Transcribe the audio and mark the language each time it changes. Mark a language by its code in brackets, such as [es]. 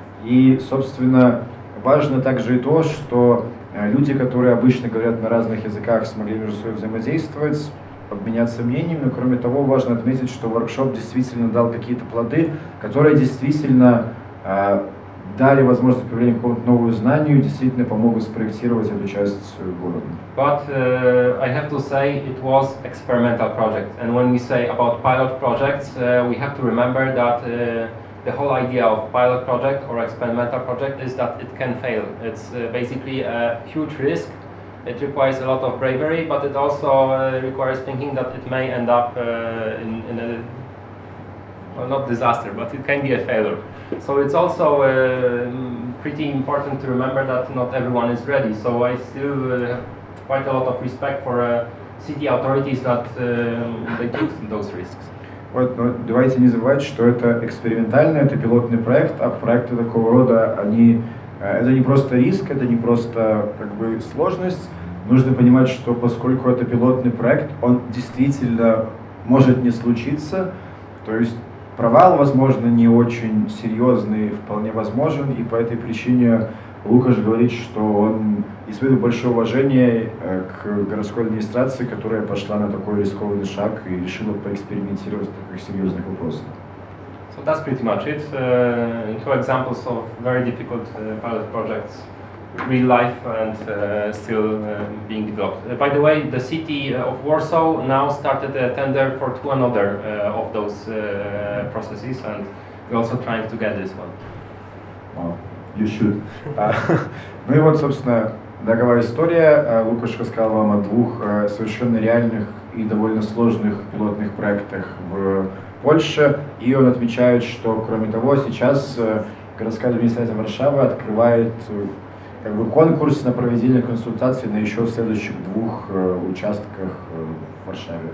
[ru] И, собственно, важно также и то, что люди, которые обычно говорят на разных языках, смогли между собой взаимодействовать, обменяться мнениями, но кроме того, важно отметить, что воркшоп действительно дал какие-то плоды, которые действительно дали возможность появления какого-то нового знания и действительно помогут спроектировать эту часть города. [en] But I have to say it was experimental project. And when we say about pilot projects, we have to remember that the whole idea of pilot project or experimental project is that it can fail. It's basically a huge risk. It requires a lot of bravery, but it also requires thinking that it may end up in a, well, not disaster, but it can be a failure. So it's also pretty important to remember that not everyone is ready. So I still have quite a lot of respect for city authorities that they took those risks. [ru] Вот, но давайте не забывать, что это экспериментальный, это пилотный проект, а проекты такого рода, они... Это не просто риск, это не просто как бы сложность. Нужно понимать, что поскольку это пилотный проект, он действительно может не случиться. То есть провал, возможно, не очень серьезный, вполне возможен. И по этой причине Лукаш говорит, что он испытывает большое уважение к городской администрации, которая пошла на такой рискованный шаг и решила поэкспериментировать в таких серьезных вопросах. [en] So that's pretty much it. Two examples of very difficult pilot projects, real life and still being developed. By the way, the city of Warsaw now started a tender for two another of those processes, and we're also trying to get this one. Well, you should. [ru] Ну и вот, собственно, долговая история. Лукаш рассказал вам о двух совершенно реальных и довольно сложных пилотных проектах в Польша, и он отмечает, что, кроме того, сейчас городская администрация Варшавы открывает как бы конкурс на проведение консультаций на еще следующих двух участках в Варшаве.